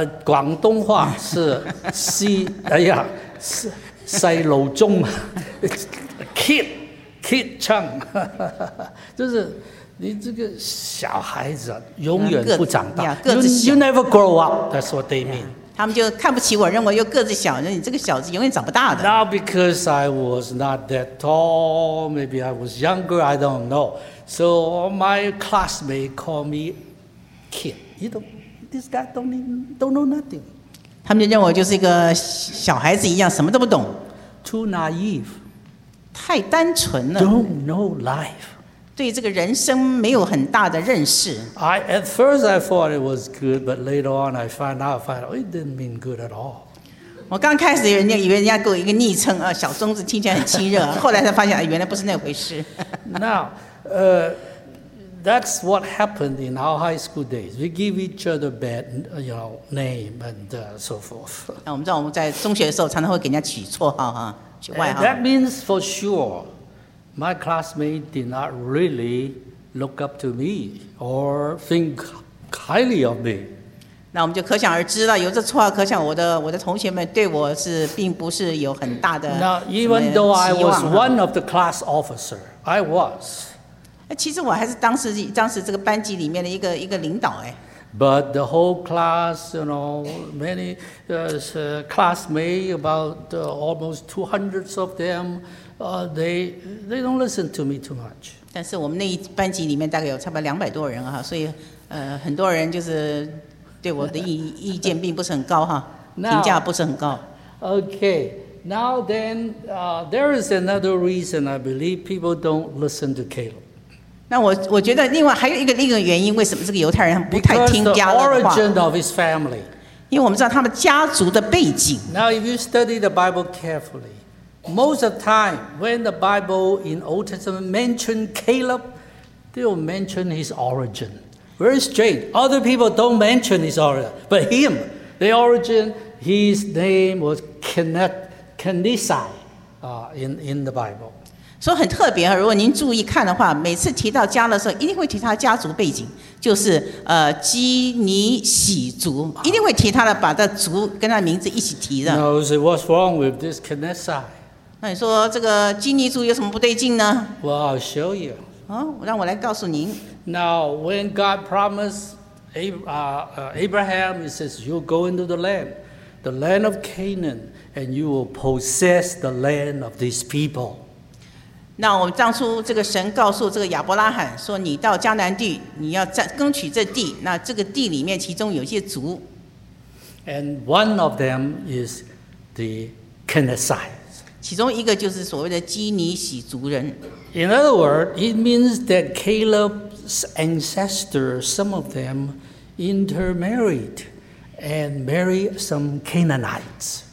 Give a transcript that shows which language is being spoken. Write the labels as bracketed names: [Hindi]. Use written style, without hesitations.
[Chinese] 广东话是西，哎呀，西老钟，Kid。Kid Chung, 就是你这个小孩子永远不长大。 [English] You never grow up, that's what they mean. [Chinese] 他们就看不起我，认为又个子小，你这个小子永远长不大的。 [English] Not because I was not that tall, maybe I was younger, I don't know. So my classmate called me kid. You know, this guy don't know nothing. [Chinese] 他们就认为我就是一个小孩子一样，什么都不懂。 [English] Too naive. [Chinese] 太单纯了。 [English] Don't know life. [Chinese] 对这个人生没有很大的认识。 [English] At first I thought it was good, but later on I found out it didn't mean good at all. [Chinese] 我刚开始人家以为人家给我一个昵称啊，小松子听起来很亲热，后来才发现原来不是那回事。 [English] Now, that's what happened in our high school days. We give each other bad, you know, name and so forth. [Chinese] 我们知道我们在中学的时候常常会给人家取绰号啊，取外号。 [English] That means for sure. My classmate did not really look up to me or think highly of me. [Chinese] 那我们就可想而知了，有这绰号，可想我的同学们对我是并不是有很大的期望。 [English] Now, even though I was one of the class officer, I was. [Chinese] 其实我还是当时这个班级里面的一个领导哎。 [English] But the whole class, you know, many classmates, about almost 200 of them. They don't listen to me too much. [Chinese] 但是我们那一班级里面大概有差不多200多人哈，所以很多人就是对我的意见并不是很高哈，评价不是很高。 [English] Okay, now then, there is another reason I believe people don't listen to Caleb. [Chinese] 那我觉得另外还有一个原因，为什么这个犹太人不太听加勒的话 [English] ？Because the origin of his family. [Chinese] 因为我们知道他们家族的背景。 [English] Now, if you study the Bible carefully. Most of the time, when the Bible in Old Testament mentioned Caleb, they will mention his origin. Very strange. Other people don't mention his origin. But him, the origin, his name was Kenizzai in the Bible. [Chinese] 所以很特别，如果您注意看的话，每次提到加勒的时候，一定会提他家族背景，就是基尼喜族，一定会提他的，把他族跟他名字一起提的。 [English] No, so what's wrong with this Kenizzai? [Chinese] 那你说这个基尼族有什么不对劲呢 [English] ？Well, I'll show you. [Chinese] 让我来告诉您。 [English] Now, when God promised Abraham, He says, "You'll go into the land of Canaan, and you will possess the land of these people." [Chinese] 那我们当初这个神告诉这个亚伯拉罕说，你到迦南地，你要争取这地。那这个地里面其中有些族。 [English] And one of them is the Kenizzites. [Chinese] 其中一个就是所谓的基尼喜族人。 [English] In other words, it means that Caleb's ancestors, some of them, intermarried and married some Canaanites.